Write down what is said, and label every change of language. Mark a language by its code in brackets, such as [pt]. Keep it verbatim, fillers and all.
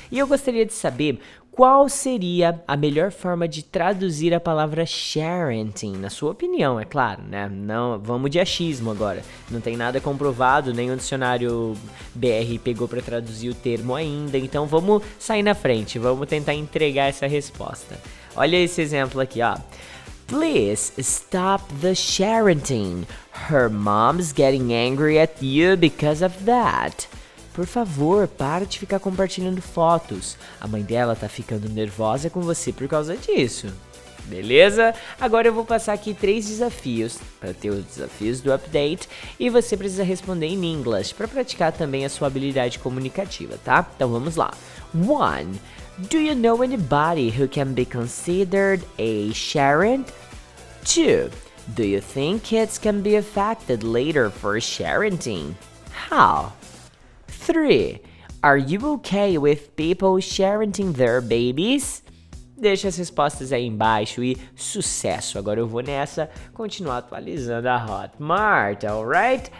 [pt] E eu gostaria de saber qual seria a melhor forma de traduzir a palavra sharenting, na sua opinião, é claro, né? Não, vamos de achismo agora. Não tem nada comprovado, nem o dicionário B R pegou para traduzir o termo ainda, então vamos sair na frente, vamos tentar entregar essa resposta. Olha esse exemplo aqui, ó. [en] Please stop the sharenting. Her mom's getting angry at you because of that. [pt] Por favor, para de ficar compartilhando fotos. A mãe dela tá ficando nervosa com você por causa disso. Beleza? Agora eu vou passar aqui três desafios para ter os desafios do update e você precisa responder em inglês para praticar também a sua habilidade comunicativa, tá? Então vamos lá. one. [en] Do you know anybody who can be considered a sharent? two. Do you think kids can be affected later for sharenting? How? three. Are you okay with people sharenting their babies? [pt] Deixa as respostas aí embaixo e sucesso! Agora eu vou nessa continuar atualizando a Hotmart, alright?